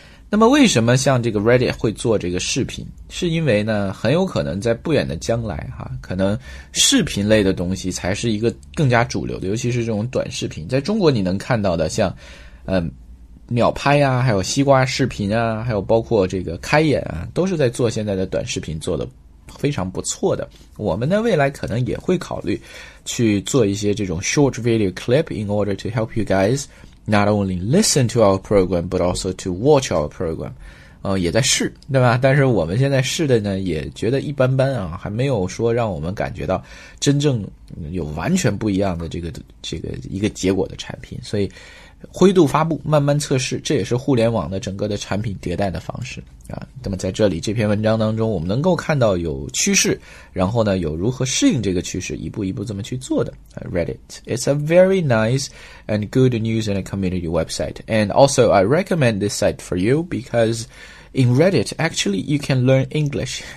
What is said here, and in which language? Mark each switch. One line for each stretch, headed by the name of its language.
Chinese: 那么为什么像这个 Reddit 会做这个视频，是因为呢很有可能在不远的将来可能视频类的东西才是一个更加主流的，尤其是这种短视频。在中国你能看到的像秒拍啊，还有西瓜视频啊，还有包括这个开眼啊，都是在做现在的短视频做的非常不错的。我们呢未来可能也会考虑去做一些这种
English: short video clip in order to help you guys not only listen to our program, but also to watch our program.
Chinese: 也在试，对吧？但是我们现在试的呢，也觉得一般般啊，还没有说让我们感觉到真正有完全不一样的这个一个结果的产品。所以灰度发布，慢慢测试，这也是互联网的整个的产品迭代的方式啊。那么在这里这篇文章当中，我们能够看到有趋势，然后呢，有如何适应这个趋势，一步一步这么去做的。
English: Reddit, it's a very nice and good news and a community website. And also, I recommend this site for you because in Reddit, actually, you can learn English.